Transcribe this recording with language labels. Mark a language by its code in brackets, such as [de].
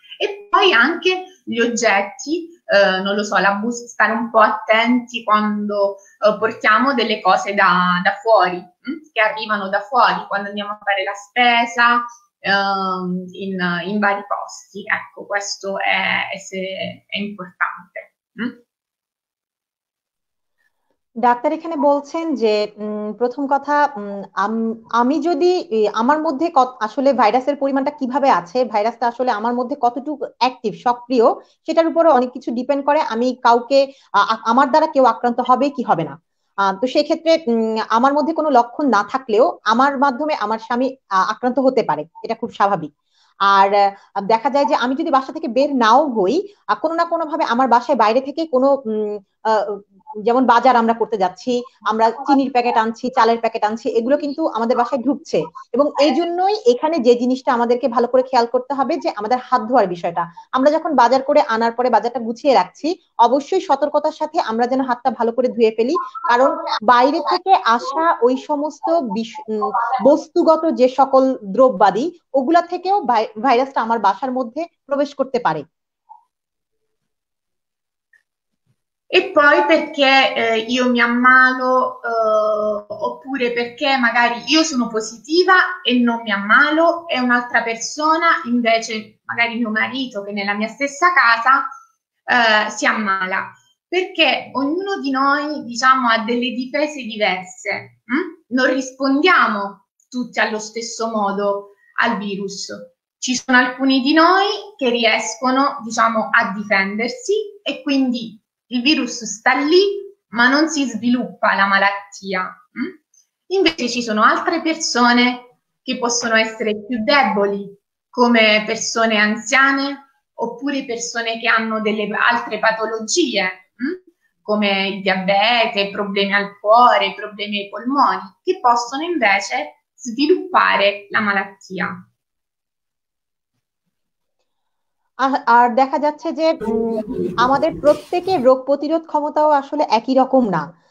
[it] E poi anche gli oggetti, non lo so, la busta, stare un po' attenti quando portiamo delle cose da fuori, che arrivano da fuori, quando andiamo a fare la spesa, in vari posti. Ecco, questo è importante. [bn] Doctor এখানে বলছেন যে প্রথম কথা, আমি যদি আমার মধ্যে আসলে ভাইরাসের পরিমাণটা কিভাবে আছে, ভাইরাসটা আসলে আমার মধ্যে কতটুকু অ্যাক্টিভ সক্রিয় সেটার উপরে অনেক কিছু ডিপেন্ড করে। আমি কাউকে আমার দ্বারা কেউ আক্রান্ত হবে কি হবে না, তো সেক্ষেত্রে আমার মধ্যে কোনো লক্ষণ না থাকলেও আমার মাধ্যমে আমার স্বামী আক্রান্ত হতে পারে, এটা খুব স্বাভাবিক। আর দেখা যায় যে আমি যদি বাসা থেকে বের নাও হই, কোনো না কোনো ভাবে আমার বাসায় বাইরে থেকে কোনো, যেমন বাজার আমরা করতে যাচ্ছি, আমরা চিনির প্যাকেট আনছি, চালের প্যাকেট আনছি, এগুলো কিন্তু আমাদের বাসায় ঢুকছে। এবং এই জন্যই এখানে যে জিনিসটা আমাদেরকে ভালো করে খেয়াল করতে হবে, যে আমাদের হাত ধোয়ার বিষয়টা, আমরা যখন বাজার করে আনার পরে বাজারটা গুছিয়ে রাখছি, অবশ্যই সতর্কতার সাথে আমরা যেন হাতটা ভালো করে ধুয়ে ফেলি, কারণ বাইরে থেকে আসা ওই সমস্ত বস্তুগত যে সকল দ্রব্যাদি, ওগুলা থেকেও ভাইরাসটা আমার বাসার মধ্যে প্রবেশ করতে পারে। [it] E poi perché io mi ammalo, oppure perché magari io sono positiva e non mi ammalo, e un'altra persona, invece, magari mio marito che è nella mia stessa casa, si ammala. Perché ognuno di noi, diciamo, ha delle difese diverse. Non rispondiamo tutti allo stesso modo al virus. Ci sono alcuni di noi che riescono, diciamo, a difendersi e quindi il virus sta lì, ma non si sviluppa la malattia. Invece ci sono altre persone che possono essere più deboli, come persone anziane oppure persone che hanno delle altre patologie, come il diabete, problemi al cuore, problemi ai polmoni, che possono invece sviluppare la malattia. [bn] আর দেখা যাচ্ছে যে আমাদের প্রত্যেকের রোগ প্রতিরোধ ক্ষমতাও আসলে একই রকম না।